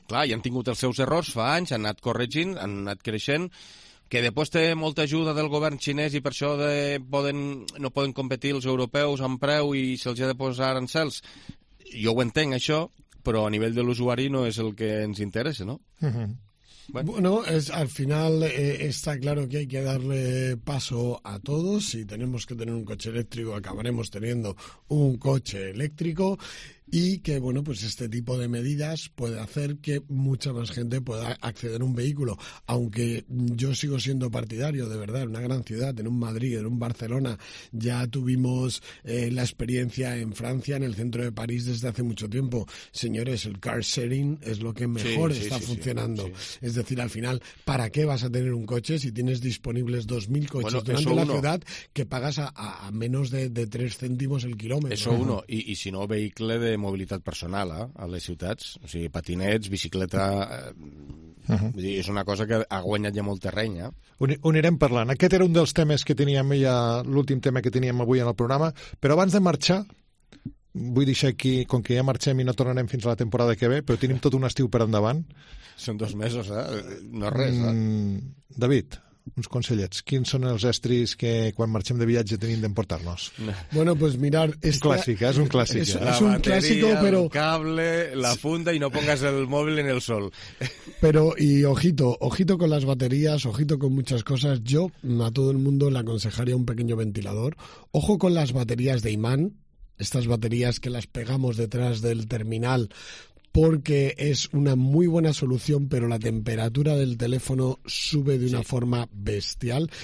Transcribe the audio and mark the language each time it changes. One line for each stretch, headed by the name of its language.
Catalan: Clar, i han tingut els seus errors fa anys, han anat corregint, han anat creixent. Que després té molta ajuda del govern xinès i per això de poden, no poden competir els europeus amb preu i se'ls ha de posar arancels. Jo ho entenc, això, però a nivell de l'usuari no és el que ens interessa, no? Uh-huh.
Spanish: Bueno, es, al final está claro que hay que darle paso a todos. Si tenemos que tener un coche eléctrico, acabaremos teniendo un coche eléctrico. Y que, bueno, pues este tipo de medidas puede hacer que mucha más gente pueda acceder a un vehículo. Aunque yo sigo siendo partidario, de verdad, en una gran ciudad, en un Madrid, en un Barcelona, ya tuvimos la experiencia en Francia, en el centro de París, desde hace mucho tiempo. Señores, el car sharing es lo que mejor funcionando. Sí, sí. Es decir, al final, ¿para qué vas a tener un coche si tienes disponibles 2.000 coches durante la ciudad que pagas a menos de 3 céntimos el kilómetro? Eso uno. Y si no, vehículo de
Catalan: mobilitat personal a les ciutats, o sigui, patinets, bicicleta, vull dir, és una cosa que ha guanyat ja molt terreny. Ho anirem parlant. Aquest era un dels temes que teníem ja, l'últim tema que teníem avui en el programa, però abans de marxar, vull deixar aquí, com que ja marxem i no tornarem fins a la temporada que ve, però tenim tot un estiu per endavant. Són 2 mesos, no res. David, uns consellets. Quins són els estris que quan marxem de viatge tenim d'emportar-nos?
Spanish: Bueno, pues mirar... Esta...
Catalan: Clàssica, és un clàssic. La bateria, un
Spanish: clásico, pero... el cable, la funda i no pongas el mòbil en el sol. Pero, y ojito, ojito con las baterías, ojito con muchas cosas. Yo a todo el mundo le aconsejaría un pequeño ventilador. Ojo con las baterías de imán, estas baterías que las pegamos detrás del terminal, porque es una muy buena solución, pero la temperatura del teléfono sube de una forma bestial.